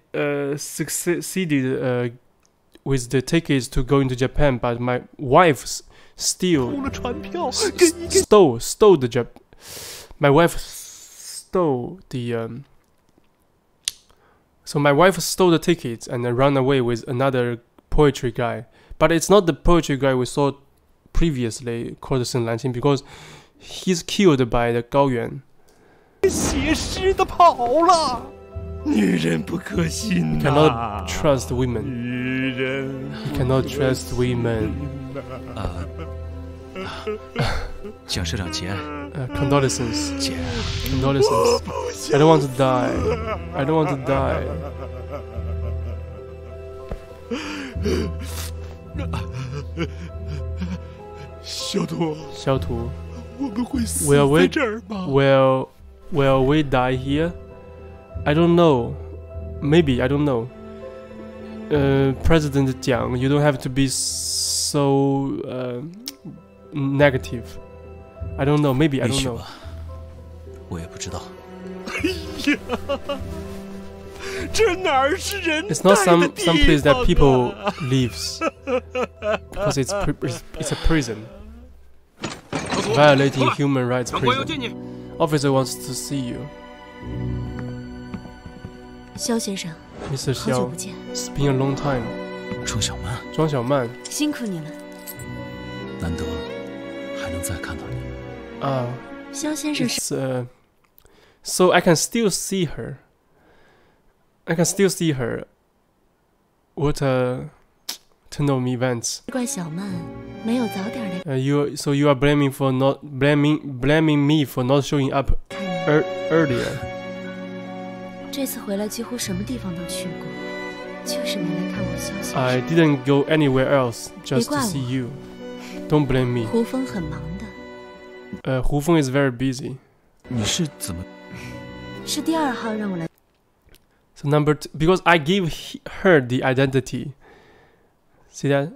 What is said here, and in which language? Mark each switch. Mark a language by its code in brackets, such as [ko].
[en] I didn't succeed with the tickets to go into Japan, but my wife So my wife stole the tickets and then ran away with another poetry guy. But it's not the poetry guy we saw previously called Sun Lanqing because he's killed by the Gao Yuan. [zh] 写诗的跑了，女人不可信呐。 [en] He cannot trust women. [zh] 女人 [en] He cannot trust women. [zh] 蒋社长，节哀。 [en] Condolences. [zh] 节哀。 [en] Condolences. I don't want to die. I don't want to die. [zh] 小图。小图。我们会死在这儿吗？ [en] Will we die here? I don't know. Maybe, I don't know. President Jiang, you don't have to be so negative. I don't know, maybe, I don't know. [zh] 我也不知道。哎呀，这哪儿是人待的地方啊？ [en] It's not some place that people live. Because it's a prison. Violating human rights prison. Officer wants to see you. [zh] 肖先生。 [en] Mr. Xiao, [zh] 好久不见。 [en] It's been a long time. [zh] 庄小曼。庄小曼。辛苦你了。难得还能再看到你。肖先生是。 [en] So I can still see her. I can still see her. What a turn of events. [zh] 怪小曼没有早点来。 [en] You are blaming me for not showing up earlier. [zh] 这次回来几乎什么地方都去过，就是没来看我消息。 [en] I didn't go anywhere else just to see you. Don't blame me. [zh] 胡峰很忙的。 [en] 胡峰 is very busy. [zh] 你是怎么？是第二号让我来。 [en] So number two, because I gave her the identity. See that?